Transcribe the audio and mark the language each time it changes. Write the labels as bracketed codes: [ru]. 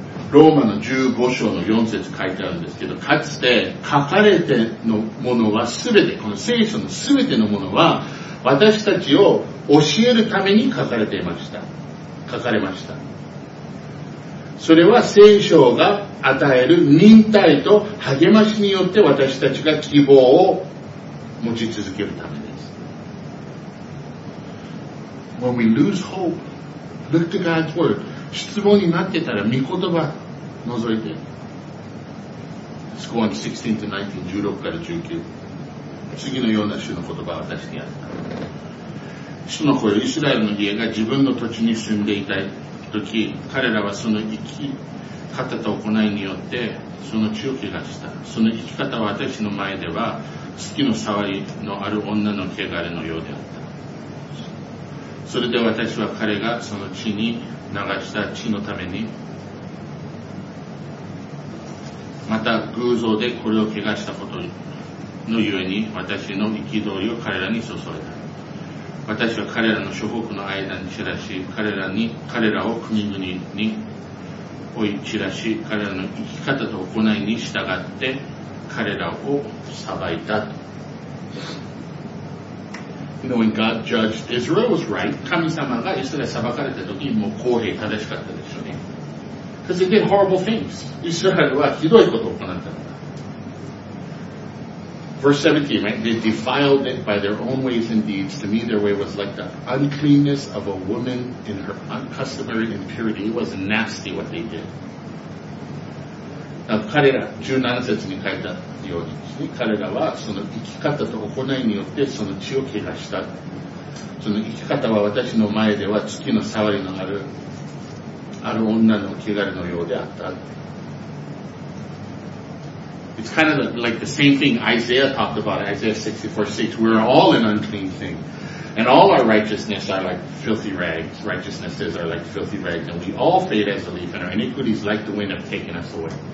[ja] ローマの15章の4節書いてあるんですけど、かつて書かれてのものはすべて、この聖書のすべてのものは、私たちを教えるために書かれていました。書かれました。それは聖書が与える忍耐と励ましによって私たちが希望を持ち続けるためです。 [en] When we lose hope, look to God's word. [ja] 失望になってたら御言葉覗いて。スコア16 to 19、16から19。次のような主の言葉を私にあった。主の声、イスラエルの家が自分の土地に住んでいたとき、彼らはその生き方と行いによってその地を汚した。その生き方は私の前では月の触りのある女の汚れのようであった。それで私は彼がその地に流した血のために、また偶像でこれを汚したことのゆえに私の憤りを彼らに注いだ。私は彼らの諸国の間に散らし、彼らを国々に追い散らし、彼らの生き方と行いに従って彼らを裁いた。 [en] You know, when God judged Israel was right. [ja] 神様がイスラエル裁かれた時にもう公平正しかったですよね。 [en] Because they did horrible things. [ja] イスラエルはひどいことを行ったのだ。 [en] Verse 17, right? They defiled it by their own ways and deeds. To me, their way was like the uncleanness of a woman in her uncustomary impurity. It was nasty what they did. [ja] Now, 彼ら、17節に書いたようにですね、彼らはその生き方と行いによってその血を汚した。その生き方は私の前では月の触りのある女の汚れのようであった。 [en] It's kind of like the same thing Isaiah talked about, Isaiah 64:6. We're all an unclean thing. And all our righteousness are like filthy rags. Righteousnesses are like filthy rags. And we all fade as a leaf, and our iniquities like the wind have taken us away.